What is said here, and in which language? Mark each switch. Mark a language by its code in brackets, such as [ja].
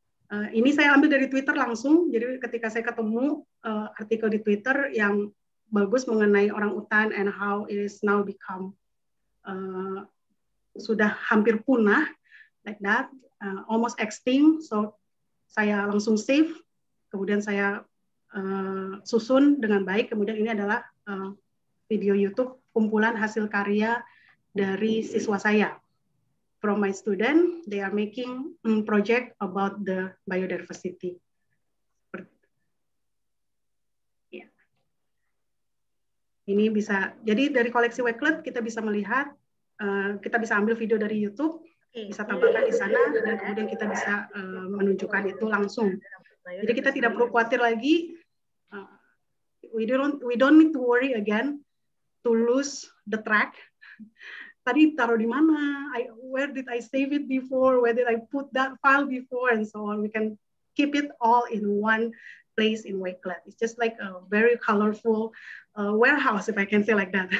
[id] Ini saya ambil dari Twitter langsung, jadi ketika saya ketemu artikel di Twitter yang bagus mengenai orang utan [en] and how it is now become [id] sudah hampir punah, [en] like that, almost extinct, [id] so saya langsung save, kemudian saya susun dengan baik. Kemudian ini adalah video YouTube kumpulan hasil karya dari siswa saya. [en] From my student, they are making project about the biodiversity. Yeah. [id] Ini bisa, jadi dari koleksi Wakelet kita bisa melihat, kita bisa ambil video dari YouTube, bisa tambahkan di sana, dan kemudian kita bisa menunjukkan itu langsung. Jadi kita tidak perlu khawatir lagi. [en] We don't need to worry again to lose the track. [id] Tadi taruh di mana? [en] Where did I save it before? Where did I put that file before? And so on. We can keep it all in one place in Wakelet. It's just like a very colorful warehouse, if I can say like that.